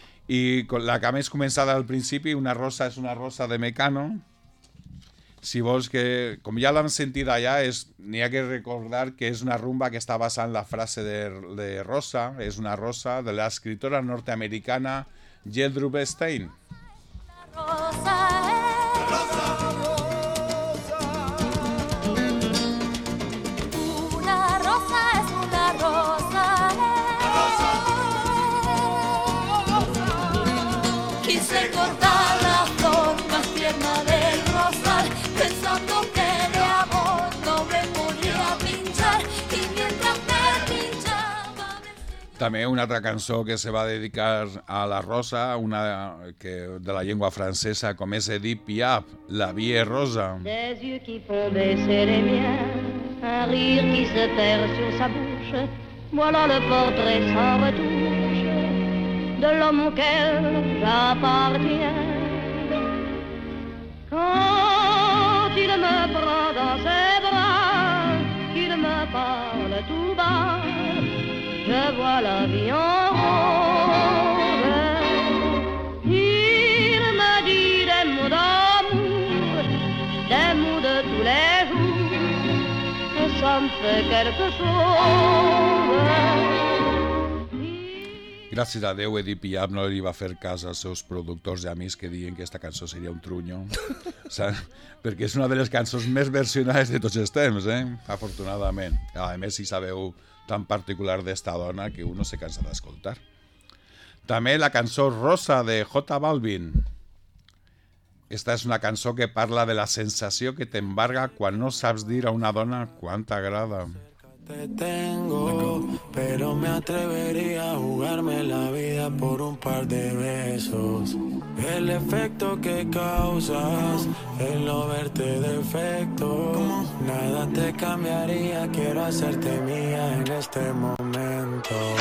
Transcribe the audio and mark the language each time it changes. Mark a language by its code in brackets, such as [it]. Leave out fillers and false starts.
[ca] I la que més començada al principi, una rosa és una rosa de Mecano. Si vols que, com ja l'han sentit allà, n'hi ha que recordar que és una rumba que està basant la frase de Rosa, és una rosa de l'escriptora nord-americana Geldrup Stein. [es] Rosa, rosa, una rosa és una rosa, rosa, quise cortar la flor más tierna del rosal, pensando que de amor no me podía pinchar, y mientras me pinchaba me seguía. [ca] També una altra cançó que se va dedicar a la rosa, una que de la llengua francesa, com és Edith Piaf, La vie est rosa. [fr] Des yeux qui font baisser les miens, un rire qui se perd sur sa bouche, voilà le portrait sans retouche de l'homme auquel j'appartiens. Quand il me prend dans ses bras, qu'il me parle tout bas, je vois la vie en rose. Il me dit des mots d'amour, des mots de tous les jours, et ça me fait quelque chose. [ca] Gràcies a Déu, Edith Piaf no li va fer cas als seus productors i amics que diuen que aquesta cançó seria un truño. Perquè és una de les cançons més versionades de tots els temps, afortunadament. A més, si sabeu tan particular d'esta dona que un no se cansa d'escoltar. També la cançó Rosa de J Balvin. Esta és una cançó que parla de la sensació que t'embarga quan no saps dir a una dona quant t'agrada. [es] Te tengo, pero me atrevería a jugarme la vida por un par de besos. El efecto que causas, el no verte defecto. Nada te cambiaría, quiero hacerte mía en este momento.